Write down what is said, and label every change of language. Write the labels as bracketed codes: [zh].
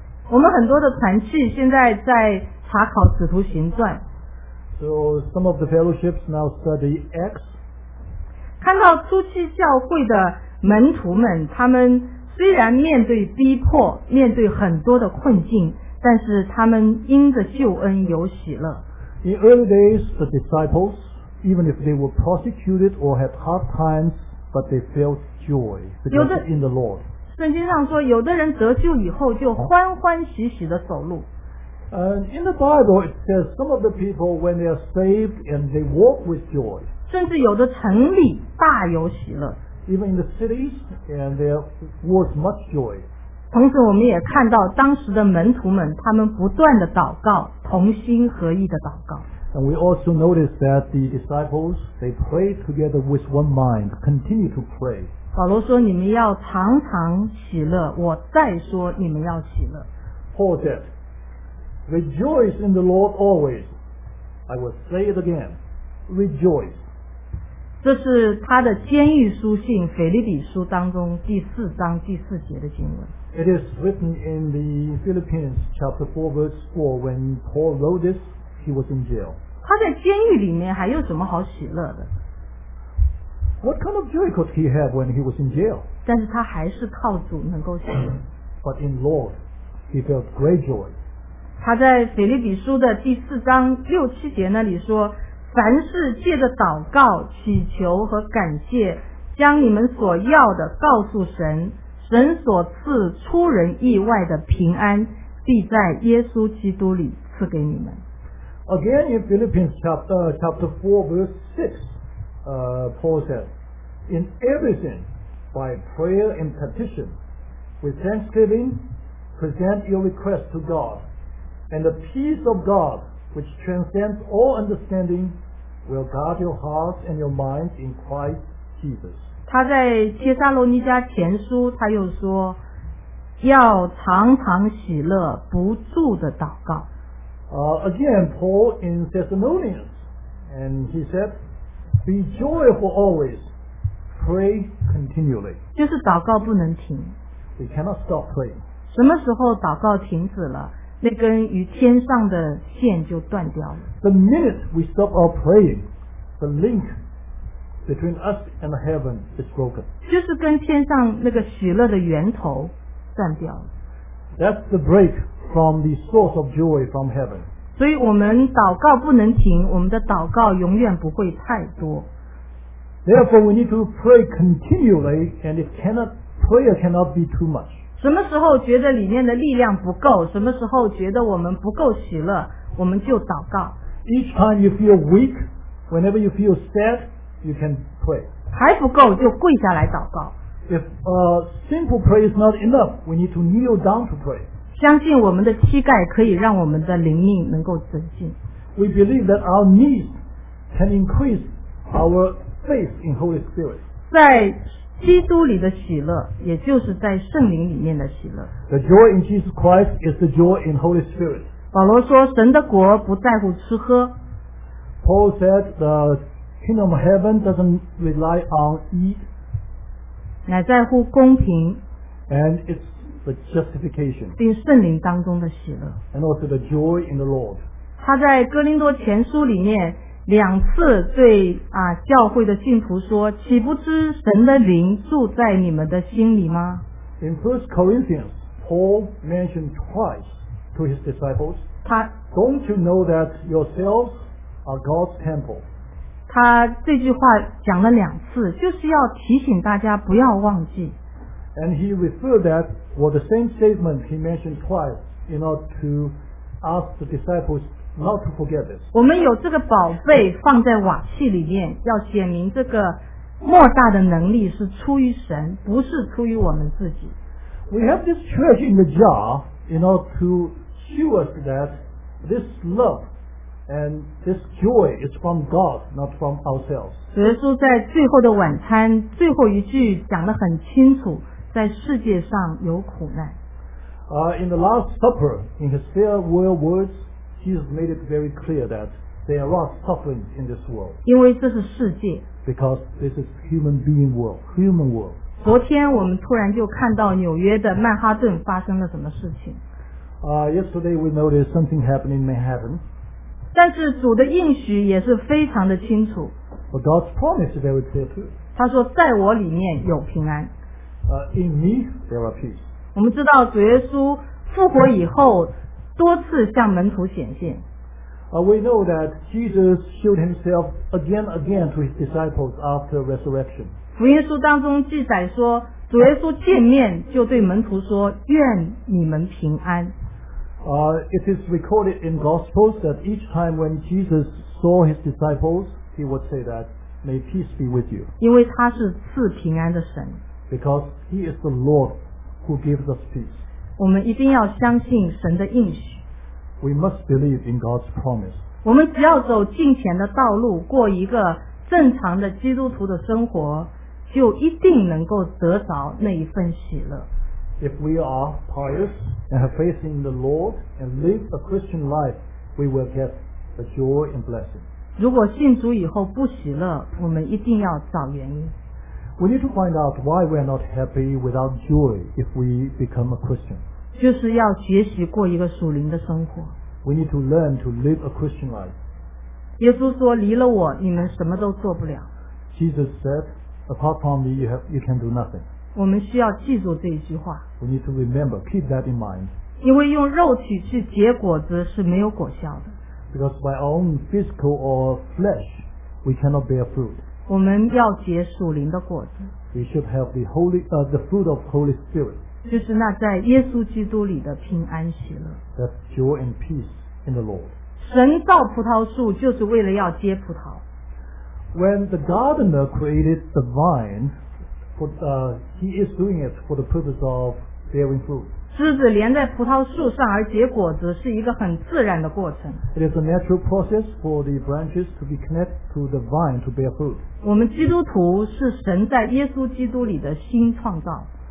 [zh] 我们很多的团契现在在查考使徒行传。 [en] So some of the fellowships now study Acts. [zh] 看到初期教会的门徒们，他们虽然面对逼迫，面对很多的困境，但是他们因着救恩有喜乐。 [en] In early days, the disciples, even if they were persecuted or had hard times, but they felt joy because in the Lord. [zh] 圣经上说，有的人得救以后就欢欢喜喜的走路。 [en] And in the Bible, it says some of the people when they are saved and they walk with joy. [zh] 甚至有的城里大有喜乐。 [en] Even in the cities, and there was much joy. [zh] 同时我们也看到当时的门徒们，他们不断的祷告，同心合意的祷告。 [en] And we also notice that the disciples, they prayed together with one mind, continue to pray. [zh] 保罗说你们要常常喜乐，我再说你们要喜乐。 [en] Paul said, Rejoice in the Lord always. I will say it again, rejoice. [zh] 这是他的监狱书信腓立比书当中第四章第四节的经文。 [en] It is written in the Philippians chapter 4 verse 4 when Paul wrote this, he was in jail. [zh] 他在监狱里面还有什么好喜乐的？ [en] What kind of joy could he have when he was in jail? [zh] 但是他还是靠主能够喜乐。 [en] But in Lord, he felt great joy. [zh] 他在腓立比书的第四章六七节那里说凡事借着祷告祈求和感谢将你们所要的告诉神，神所赐出人意外的平安必在耶稣基督里赐给你们。 [en] Again in Philippians chapter 4 verse 6 Paul said, In everything by prayer and petition with thanksgiving present your request to God and the peace of Godwhich transcends all understanding will guard your hearts and your minds in Christ Jesus. [zh] 他在帖撒罗尼迦前书他又说要常常喜乐不住的祷告。 [en] Again, Paul in Thessalonians, and he said, be joyful always, pray continually. [zh] 就是祷告不能停。 [en] We cannot stop praying. [zh] 什么时候祷告停止了那根与天上的线就断掉了。 [en] The minute we stop our praying, the link between us and heaven is broken. [zh] 就是跟天上那个喜乐的源头断掉了。 [en] That's the break from the source of joy from heaven. [zh] 所以我们祷告不能停，我们的祷告永远不会太多。 [en] Therefore, we need to pray continually, and it cannot, prayer cannot be too much. [zh] 什么时候觉得里面的力量不够，什么时候觉得我们不够喜乐，我们就祷告。 [en] Each time you feel weak, whenever you feel sad, you can pray. [zh] 还不够就跪下来祷告。 [en] If a simple prayer is not enough, we need to kneel down to pray. [zh] 相信我们的膝盖可以让我们的灵命能够增进。 [en] We believe that our knees can increase our faith in Holy Spirit. [zh] 在基督里的喜乐，也就是在圣灵里面的喜乐。 [en] The joy in Jesus Christ is the joy in Holy Spirit. [zh] 保罗说，神的国不在乎吃喝。 [en] Paul said the kingdom of heaven doesn't rely on eat. [zh] 乃在乎公平 [en] and it's the justification, [zh] 并圣灵当中的喜乐 [en] and also the joy in the Lord. [zh] 他在哥林多前书里面两次对、啊、教会的信徒说，岂不知神的灵住在你们的心里吗？ [en] In 1 Corinthians, Paul mentioned twice to his disciples, [zh] 他 [en] Don't you know that yourselves are God's temple? [zh] 他这句话讲了两次，就是要提醒大家不要忘记。 [en] And he referred that was the same statement he mentioned twice in order to ask the disciples not to forget this. [zh] 我们有这个宝贝放在瓦器里面，要显明这个莫大的能力是出于神，不是出于我们自己。 [en] We have this treasure in the jar in order to show us that this love. And this joy is from God, not from ourselves. [zh] 主耶稣在最后的晚餐最后一句讲得很清楚，在世界上有苦难。 [en] In the Last Supper, in his farewell words, Jesus made it very clear that there are suffering in this world. [zh] 因为这是世界。 [en] Because this is human being world, human world. [zh] 昨天我们突然就看到纽约的曼哈顿发生了什么事情。 [en] Yesterday we noticed something happening in Manhattan. [zh] 但是主的应许也是非常的清楚。 [en] But God's promise is very clear too. [zh] 他说在我里面有平安。 [en] In me, there are peace. [zh] 我们知道主耶稣复活以后多次向门徒显现。 [en] We know that Jesus showed himself again and again to his disciples after resurrection. [zh] 福音书当中记载说主耶稣见面就对门徒说愿你们平安。 [en] It is recorded in Gospels that each time when Jesus saw his disciples, he would say that, may peace be with you. [zh] 因为他是赐平安的神。 [en] Because he is the Lord who gives us peace. [zh] 我们一定要相信神的应许。 [en] We must believe in God's promise. [zh] 我们只要走敬虔的道路，过一个正常的基督徒的生活，就一定能够得着那一份喜乐。 [en] If we are pious and have faith in the Lord and live a Christian life, we will get the joy and blessing. [zh] 如果信主以后不喜乐，我们一定要找原因。 [en] We need to find out why we are not happy without joy if we become a Christian. [zh] 就是要学习过一个属灵的生活。 [en] We need to learn to live a Christian life. [zh] 耶稣说，离了我，你们什么都做不了。 [en] Jesus said, apart from me, you can do nothing. [zh] 我们需要记住这一句话。 [en] We need to remember, keep that in mind. [zh] 因为用肉体去结果子是没有果效的。 [en] Because by our own physical or flesh, we cannot bear fruit. [zh] 我们要结属灵的果子。 [en] We should have the fruit of Holy Spirit. [zh] 就是那在耶稣基督里的平安喜乐。 [en] That joy and peace in the Lord. [zh] 神造葡萄树就是为了要结葡萄。 [en] When the gardener created the vine,he is doing it for the purpose of bearing fruit. [zh] 枝子连在葡萄树上而结果子是一个很自然的过程。 [en] It is a natural process for the branches to be connected to the vine to bear fruit. [zh] 我们基督徒是神在耶稣基督里的新创造。